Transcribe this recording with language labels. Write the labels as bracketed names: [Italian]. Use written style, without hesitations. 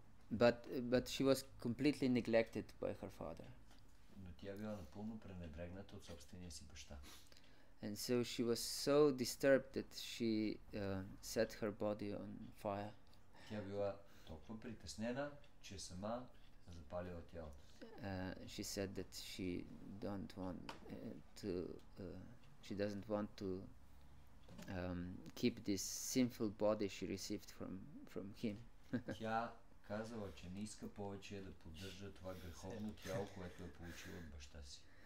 [English] But she was completely neglected by her father. [Bulgarian] Но тя била напълно пренебрегната от собствения си баща. [English] And so she was so disturbed that she set her body on fire. [Bulgarian] Тя била толкова притеснена, че сама запалила тялото. [English] She said that she don't want to she doesn't want to keep this sinful body she received from him. [Bulgarian] Тя казала, че не иска повече да поддържа това греховно тяло, което е получила от баща си.